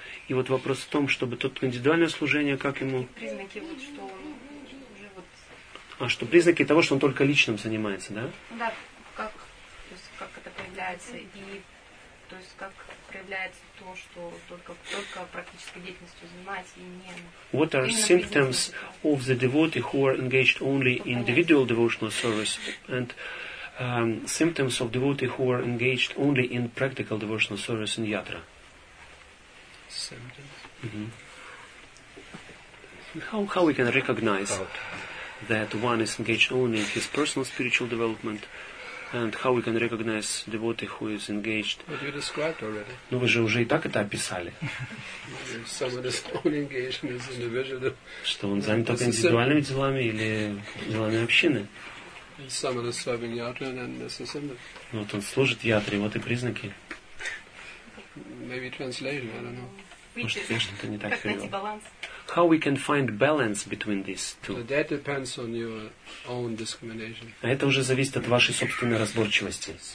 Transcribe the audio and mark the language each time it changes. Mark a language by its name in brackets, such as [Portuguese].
[Russian] И вот вопрос в том, чтобы тот индивидуальное служение, как ему... Признаки, вот, что он уже вот... А что, признаки того, что он только личным занимается, да? Да, как, то есть, как это проявляется, и то есть, как проявляется то, что только практической деятельностью занимается, и не... [English] What are symptoms of the devotee who are engaged only in individual devotional service, and symptoms of devotee who are engaged only in practical devotional service in yatra? Mm-hmm. How we can recognize that one is engaged only in his personal spiritual development, and how we can recognize devotee who is engaged? But you described already. [Russian] Ну вы же уже и так это описали. [English] Someone is only engaged in his individual. [Russian] Что он занят только индивидуальными делами или делами общины? [English] Someone is serving yatra and this is symptom. [Russian] Вот он служит ятре, вот и признаки. [English] Maybe translation, I don't know. [Russian] Может, я что-то не так. [English] How we can find balance between these two? So that depends on your own discrimination. [Russian] А это уже зависит от вашей собственной разборчивости.